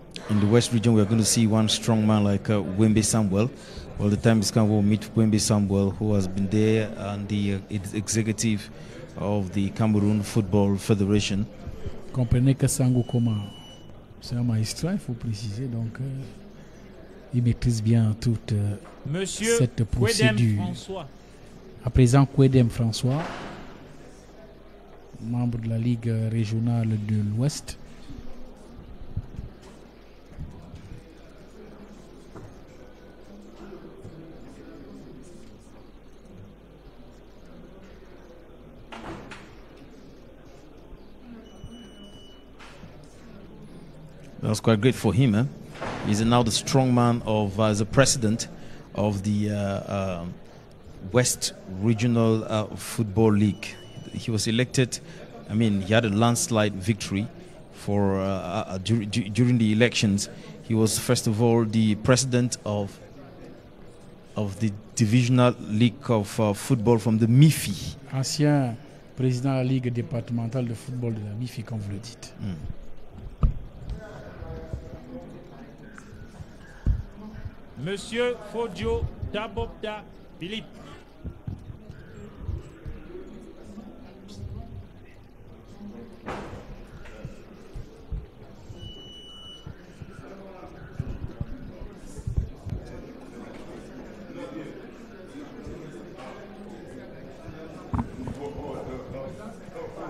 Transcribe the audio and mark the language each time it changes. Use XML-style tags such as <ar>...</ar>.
<en>In the West region, we are going to see one strong man like Wembe Samuel. Well, the time is come, we'll meet Wembe Samuel, who has been there and the executive of the Cameroon Football Federation.</en> <fr>Comprenez que Sangou Koma, c'est un maestro, il faut préciser, donc il maîtrise bien toute Monsieur cette procédure. Kouedem François. À présent, Kouedem François, membre de la Ligue régionale de l'Ouest.</fr> <en>That's quite great for him. Eh? He's now the strong man of as a president of the West Regional Football League. He was elected, I mean, he had a landslide victory for during the elections. He was, first of all, the president of the Divisional League of Football from the MIFI.</en> <fr>Ancien président de la Ligue départementale de football de la MIFI, comme vous le dites. Mm. Monsieur Fodjo Dabobda Philippe. Monsieur le</fr>